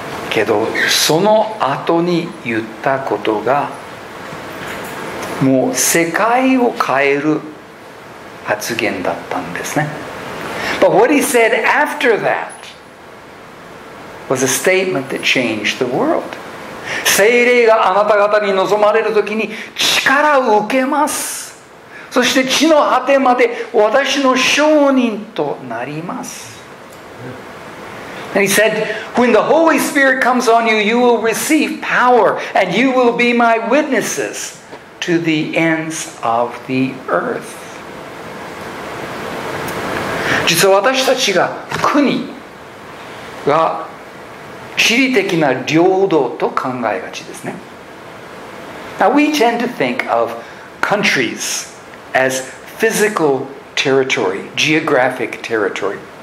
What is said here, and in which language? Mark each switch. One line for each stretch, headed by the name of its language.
Japanese: けどその後に言ったことがもう世界を変える発言だったんですね。
English: But what he said after that was a statement that changed the world.
Japanese: 聖霊があなた方に臨まれる時に力を受けます、そして地の果てまで私の証人となります。
English: And he said, when the Holy Spirit comes on you, you will receive power and you will be my witnesses to the ends of the earth.
Japanese: 実は私たちが国が地理的な領土と考えがちですね。
English: Now we tend to think of countries as physical territory, geographic territory.